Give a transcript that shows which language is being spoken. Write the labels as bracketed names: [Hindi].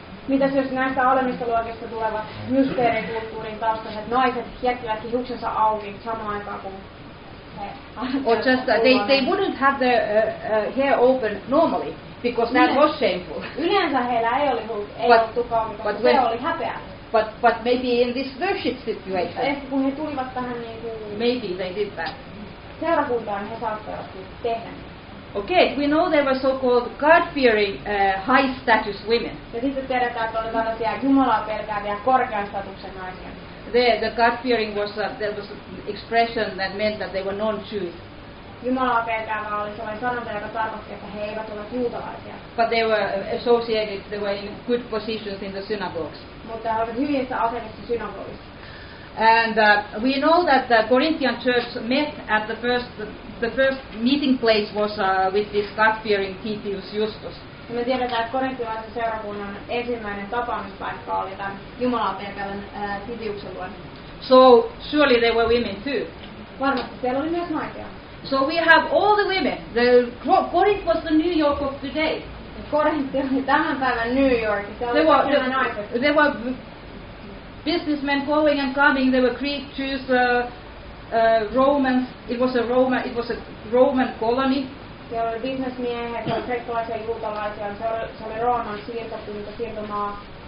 [Finnish] Mitäs jos näistä alemmista luokista tulevat mysteerikulttuurin taustaiset naiset jättivät hiuksensa auki samaan aikaan kuin he? [English] Or just they wouldn't have their hair open normally because that was shameful. [Finnish] Yleensä heillä ei ollut tukka, mutta se oli häpeä. [English] but maybe in this worship situation. [Finnish] Ehkä kun he tulivat tähän niin kuin. [English] Maybe they did that. [Finnish] Seurakuntaan he saattavat tehdä. [English] Okay, we know there were so-called God-fearing high status women. [Finnish] Ja sitten tiedetään, että oli tällaisia Jumalaa pelkääviä korkean statuksen naisia. [English] The God-fearing was there was an expression that meant that they were non-Jews. [Finnish] Jumalaa pelkäävä oli sellainen sanonta, joka tarkoitti, että he eivät ole juutalaisia. [English] But they were associated, they were in good positions in the synagogues. [Finnish] Mutta he olivat hyvissä asemissa synagogissa. [English] And we know that the Corinthian church met at the first meeting place was with this God-fearing Titius Justus. [Finnish] Ja me tiedetään, että korintilaisen seurakunnan ensimmäinen tapaamispaikka oli tämän Jumalaa pelkäävän Titiuksen luon. [English] So surely there were women too. [Finnish] Varmasti siellä oli myös naisia. [English] So we have all the women. The Corinth was the New York of today. [Finnish] Korintti oli tämän päivän New York. [English] There were businessmen going and coming. There were Greek Jews, Romans. It was a Roman colony. [Finnish] Siellä oli bisnesmiehet, kreikkalaisia, juutalaisia. Se oli Rooman siirtomaa.